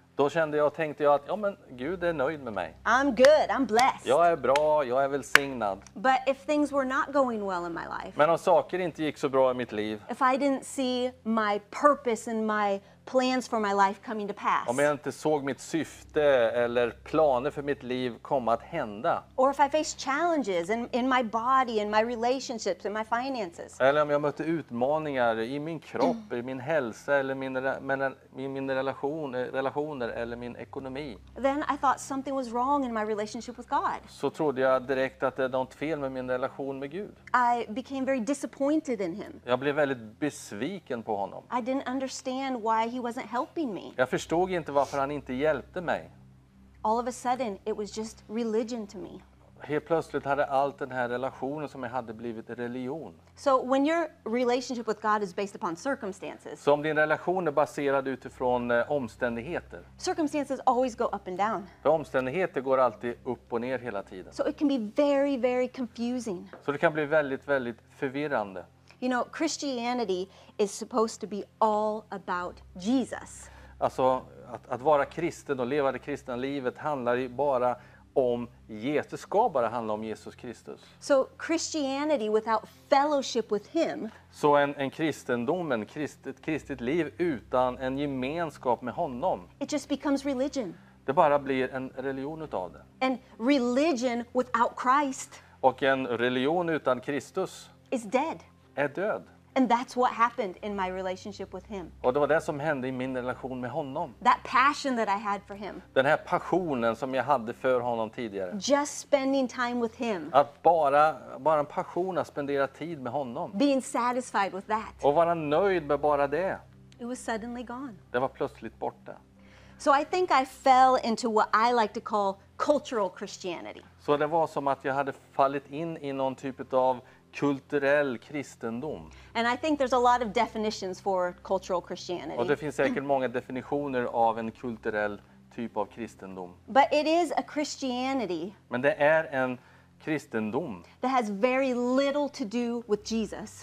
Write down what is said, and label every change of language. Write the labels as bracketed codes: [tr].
[sv] Då kände jag och tänkte jag att ja men Gud är nöjd med mig. [en] I'm good, I'm blessed. [sv] Jag är bra, jag är välsignad. [en] But if things were not going well in my life. [sv] Men om saker inte gick så bra i mitt liv. [en] If I didn't see my purpose and my plans for my life coming to pass. [sv] Om jag inte såg mitt syfte eller planer för mitt liv komma att hända. [en] Or if I faced challenges in my body, in my relationships, in my finances. [sv] Eller om jag mötte utmaningar i min kropp, i min hälsa eller mina relationer eller min ekonomi. [en] Then I thought something was wrong in my relationship with God. [sv] Så trodde jag direkt att det var något fel med min relation med Gud. [en] I became very disappointed in him. [sv] Jag blev väldigt besviken på honom. [en] I didn't understand why he wasn't helping me. [sv] Jag förstod inte varför han inte hjälpte mig. [en] All of a sudden it was just religion to me. [sv] Helt plötsligt hade allt den här relationen som jag hade blivit religion. [en] So when your relationship with God is based upon circumstances. [sv] Så om din relation är baserad utifrån omständigheter. [en] Circumstances always go up and down. [sv] För omständigheter går alltid upp och ner hela tiden. [en] So it can be very very confusing. [sv] Så det kan bli väldigt väldigt förvirrande. [en] You know, Christianity is supposed to be all about Jesus. [sv] Alltså att vara kristen och leva det kristna livet handlar ju bara om Jesus, ska bara handla om Jesus Kristus. [en] So Christianity without fellowship with him. [sv] Så en kristendom, ett kristet liv utan en gemenskap med honom. [en] It just becomes religion. [sv] Det bara blir en religion utav det. [en] And religion without Christ. [sv] Och en religion utan Kristus. [en] Is dead. [sv] Är död. [en] And that's what happened in my relationship with him. [sv] Och det var det som hände i min relation med honom. [en] That passion that I had for him. [sv] Den här passionen som jag hade för honom tidigare. [en] Just spending time with him. [sv] Att bara en passion att spendera tid med honom. [en] Being satisfied with that. [sv] Och vara nöjd med bara det. [en] It was suddenly gone. [sv] Det var plötsligt borta. [en] So I think I fell into what I like to call cultural Christianity. [sv] Så det var som att jag hade fallit in i någon typ av kulturell kristendom. [en] And I think there's a lot of definitions for cultural Christianity. [sv] Och det finns säkert många definitioner av en kulturell typ av kristendom. [en] But it is a Christianity. [sv] Men det är en kristendom. [en] That has very little to do with Jesus.